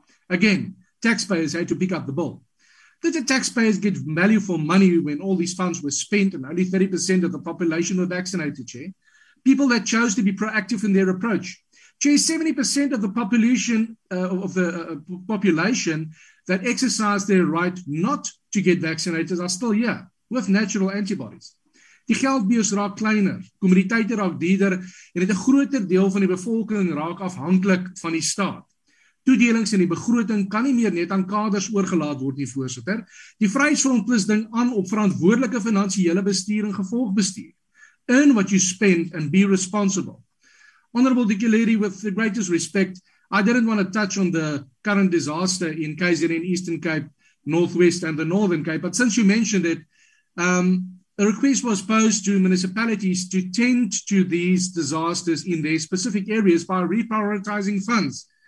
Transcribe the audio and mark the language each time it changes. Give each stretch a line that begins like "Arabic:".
English: Again, taxpayers had to pick up the bill. Did the taxpayers get value for money when all these funds were spent and only 30% of the population were vaccinated, Chair? People that chose to be proactive in their approach. Chair, 70% of the population population that exercised their right not to get vaccinated are still here with natural antibodies.
Afrikaans: Die geldbeurs raak kleiner, kommoditeite raak duurder en het 'n groter deel van die bevolking raak afhanklik van die staat. Toedelings in die begroting kan nie meer net aan kaders oorgelaat word nie, voorsitter. Die Vryheidsfront plus ding aan op verantwoordelike finansiële bestuur en gevolgbestuur.
English: Earn what you spend and be responsible. Honorable Dikeleri, with the greatest respect, I didn't want to touch on the current disaster in KZN, Eastern Cape, Northwest and the Northern Cape, but since you mentioned it, a request was posed to municipalities to tend to these disasters in their specific areas by reprioritizing funds.